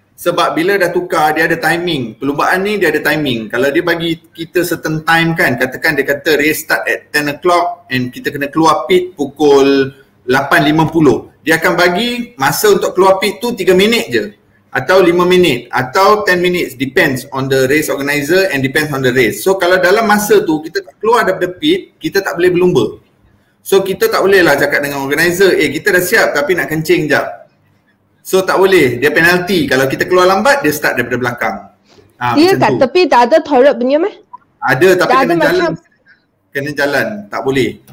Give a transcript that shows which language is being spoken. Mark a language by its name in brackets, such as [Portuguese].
[Malay] Sebab bila dah tukar, dia ada timing. Perlumbaan ni dia ada timing. Kalau dia bagi kita [English] certain time [Malay] kan, katakan dia kata [English] race start at 10 o'clock and [Malay] kita kena keluar pit pukul 8.50. Dia akan bagi masa untuk keluar pit tu 3 minit je. Atau 5 minit. Atau 10 minutes. [English] Depends on the race organizer and depends on the race. [Malay] So kalau dalam masa tu kita tak keluar daripada pit, kita tak boleh berlumba. So kita tak boleh lah cakap dengan organizer, eh kita dah siap tapi nak kencing jap. So tak boleh, dia penalti. Kalau kita keluar lambat, dia start daripada belakang. Dia kat tepi tak ada toilet punya meh? Ada tapi kena jalan. Kena jalan, tak boleh.